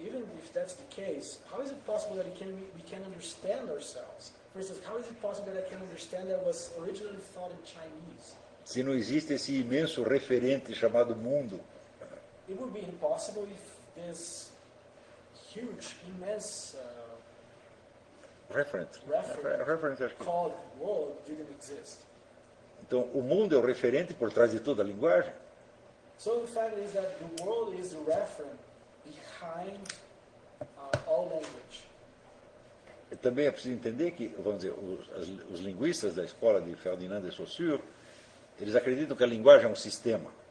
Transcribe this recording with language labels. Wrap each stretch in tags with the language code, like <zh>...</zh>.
<en>Even if that's the case, how is it possible that we can understand ourselves? For instance, how is it possible that I can understand that was originally thought in Chinese?</en> <pt>Se não existe esse imenso referente chamado mundo.</pt> <en>It would be impossible if this huge, immense reference called world didn't exist.</en> <pt>Então, o mundo é o referente por trás de toda a linguagem.</pt> <en>So the fact is that the world is the reference behind all language.</en> <pt>E também é preciso entender que, vamos dizer, os linguistas da escola de Ferdinand de Saussure, eles acreditam que a linguagem é um sistema.</pt>